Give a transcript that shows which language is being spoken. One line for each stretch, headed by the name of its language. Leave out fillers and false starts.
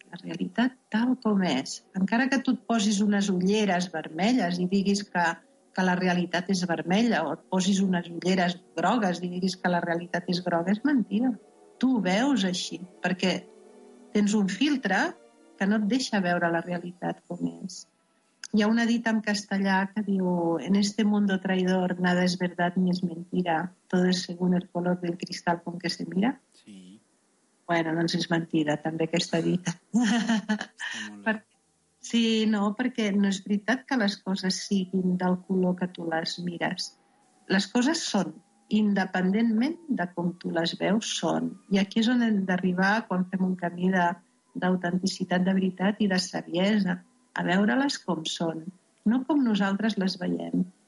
Catalan: La realitat tal com és. Encara que tu et posis unes ulleres vermelles i diguis que la realitat és vermella, o et posis unes ulleres grogues i diguis que la realitat és groga, és mentida. Tu ho veus així, perquè tens un filtre que no et deixa veure la realitat com és. Hi ha una dita en castellà que diu:
Spanish: en este mundo traidor nada es verdad ni es mentira, todo es según el color del cristal con que se mira.
Catalan: Sí. Bueno, doncs és mentida també aquesta dita. Sí, no, perquè no és veritat que les coses siguin del color que tu les mires. Les coses són, independentment de com tu les veus, són. I aquí és on hem d'arribar quan fem un camí d'autenticitat, de veritat i de saviesa, a veure-les com són, no com nosaltres les veiem.